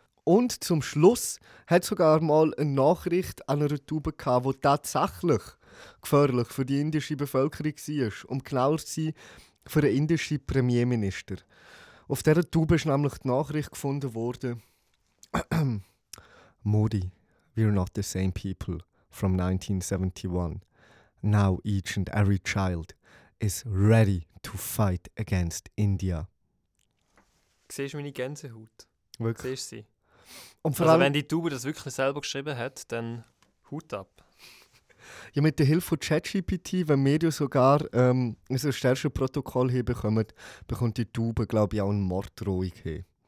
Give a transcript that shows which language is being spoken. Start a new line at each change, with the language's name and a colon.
German: Und zum Schluss hat sogar mal eine Nachricht an einer Taube gehabt, die tatsächlich gefährlich für die indische Bevölkerung war. Um genauer zu sein, für den indischen Premierminister. Auf dieser Tube ist nämlich die Nachricht gefunden worden.
English: Modi, we're not the same people from 1971. Now each and every child is ready to fight against India.
German: Siehst du meine Gänsehaut? Wirklich? Siehst du sie? Und vor allem, also wenn die Tube das wirklich selber geschrieben hat, dann Hut ab. Ja, mit der Hilfe von ChatGPT, wenn wir ja sogar ein stärkeres Protokoll hinbekommen, bekommt die Tube, glaube ich, auch eine Morddrohung hin.